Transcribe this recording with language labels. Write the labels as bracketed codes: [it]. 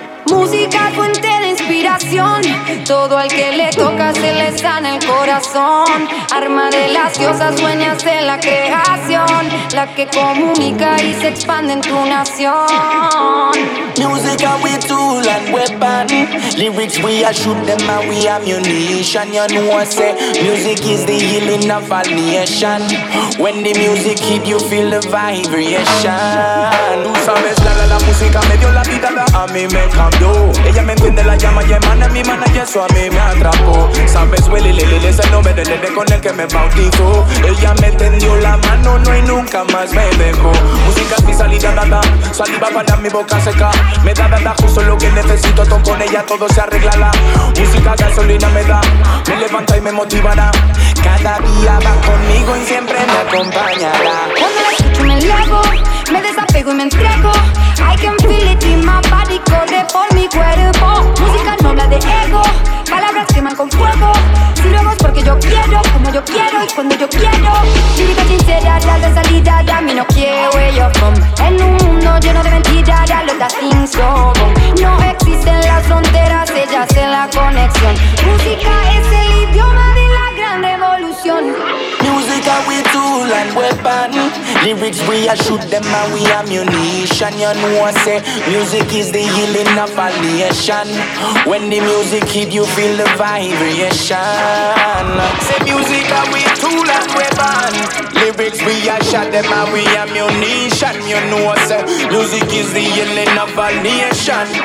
[es] Música fuente de inspiración. inspiración. Todo al que le toca se le sana el corazón. Arma de las diosas, dueñas de la creación, la que comunica y se expande en tu nación. [en] Música we tool and weapon. Lyrics we a shoot them and we ammunition. You know I say music is the healing of a nation. When the music hit you feel the vibration. [es] Tú sabes la música me dio la vida, a mí me cambió. Ella me entiende la llama y emana mi mana y eso a mí me atrapó. Sabes Willy es el nombre del nene con el que me bautizó. Ella me tendió la mano, no y nunca más me dejó. Música es mi salida, da, saliva para mi boca seca. Me da justo lo que necesito, todo con ella todo se arreglará. Música gasolina me da, me levanta y me motivará. Cada día va conmigo y siempre me acompañará. Cuando la escucho me elevo, me desapego y me entrego. [en] I can feel it in my body, [es] corre por mi cuerpo. Música no habla de ego, palabras queman con fuego. Si luego es porque yo quiero, como yo quiero y cuando yo quiero. Lírica sincera, la de salida, ya mí no quiero [en] where you're from. [es] En un mundo lleno de mentiras, ya los da [en] things go wrong. [es] No existen las fronteras, ella hace la conexión. Música es el idioma de la gran revolución. [en] Música we tool and weapon. Lyrics we a shoot them and we ammunition. You know I say music is the healing of a nation. When the music hit you feel the vibration. Say music we tool and weapon. Lyrics we a shot them and we ammunition. You know I say music is the healing of a nation.